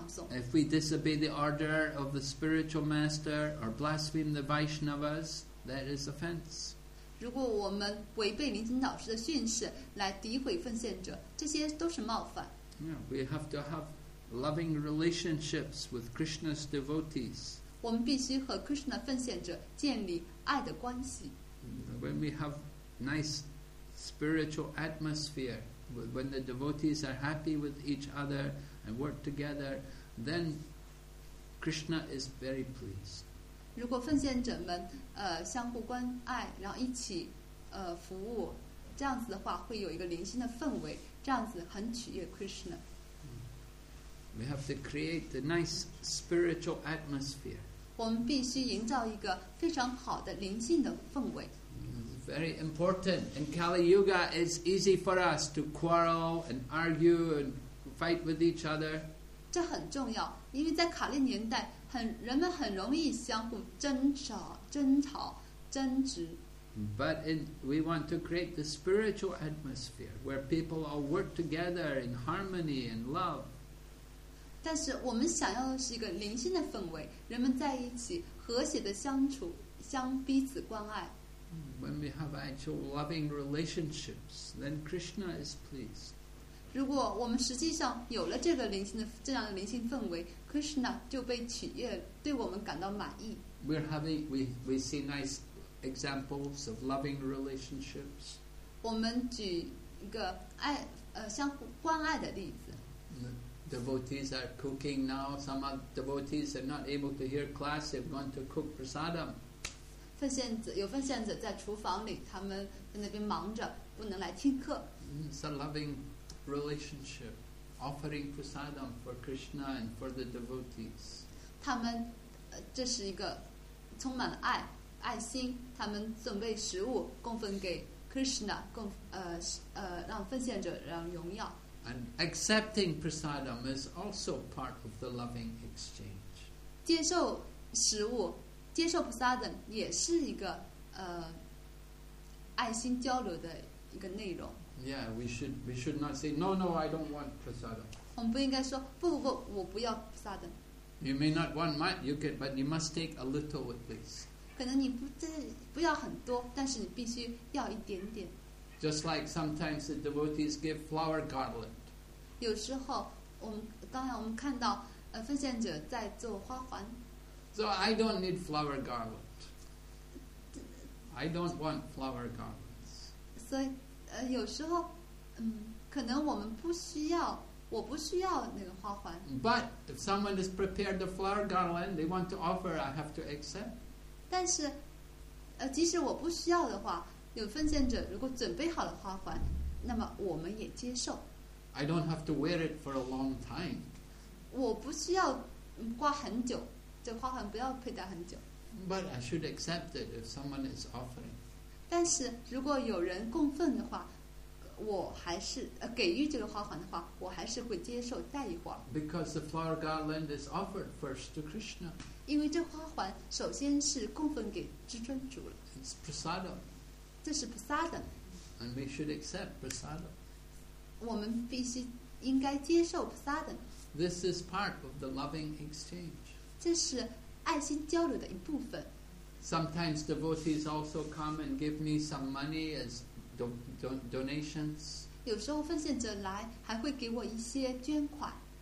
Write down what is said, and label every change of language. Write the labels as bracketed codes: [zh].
[en] If we disobey the order of the spiritual master or blaspheme the Vaishnavas, that is offense. [zh] 如果我们违背灵性导师的训示，来诋毁奉献者，这些都是冒犯。 [en] Yeah, we have to have loving relationships with Krishna's devotees. [zh] 我们必须和 Krishna 奉献者建立爱的关系。 [en] When we have nice spiritual atmosphere, when the devotees are happy with each other and work together, then Krishna is very pleased. [zh] 如果奉献者们相互关爱，然后一起服务，这样子的话会有一个灵性的氛围，这样子很取悦 Krishna。 [en] We have to create a nice spiritual atmosphere. [zh] 我们必须营造一个非常好的灵性的氛围。 [en] Very important. In Kali Yuga, it's easy for us to quarrel and argue and fight with each other. [zh] 这很重要，因为在卡利年代，人们很容易相互争吵、争执。 [en] But we want to create the spiritual atmosphere where people all work together in harmony and love. [zh] 但是我们想要的是一个灵性的氛围，人们在一起和谐的相处，相彼此关爱。 [en] When we have actual loving relationships, then Krishna is pleased. [zh] 如果我们实际上有了这个灵性的这样的灵性氛围， Krishna 就被取悦，对我们感到满意。 [en] We see nice examples of loving relationships. [zh] 我们举一个相互关爱的例子。 [en] Devotees are cooking now. Some of devotees are not able to hear class. They've gone to cook prasadam. [zh] 有奉献者在厨房里，他们在那边忙着，不能来听课。 [en] It's a loving relationship, offering prasadam for Krishna and for the devotees. [zh] 他们这是一个充满了爱心，他们准备食物供奉给 Krishna， 让奉献者让荣耀。 [en] And accepting prasadam is also part of the loving exchange. [zh] 接受食物。接受菩萨等也是一个爱心交流的一个内容。 [en] Yeah, we should not say no, no, I don't want prasadam. [zh] 我们不应该说不，我不要菩萨等。 [en] You may not want much, but you must take a little at least. [zh] 可能你不要很多，但是你必须要一点点。 [en] Just like sometimes the devotees give flower garland. [zh] 有时候我们看到奉献者在做花环。 [en] So I don't need flower garland. I don't want flower garlands. [zh] 所以，有时候，可能我们不需要，我不需要那个花环。 [en] But if someone has prepared the flower garland, they want to offer, I have to accept. [zh] 但是，即使我不需要的话，有奉献者如果准备好了花环，那么我们也接受。 [en] I don't have to wear it for a long time. [zh] 我不需要挂很久。这花环不要佩戴很久。 [en] But I should accept it if someone is offering. [zh] 但是如果有人供奉的话，我还是给予这个花环的话，我还是会接受戴一会儿。 [en] Because the flower garland is offered first to Krishna. [zh] 因为这花环首先是供奉给至尊主了。 [en] It's prasadam. [zh] 这是 prasadam. [en] And we should accept prasadam. [zh] 我们必须应该接受 prasadam. [en] This is part of the loving exchange. [zh] 这是爱心交流的一部分。 [en] Sometimes devotees also come and give me some money as donations. [zh] 有时候奉献者来，还会给我一些捐款。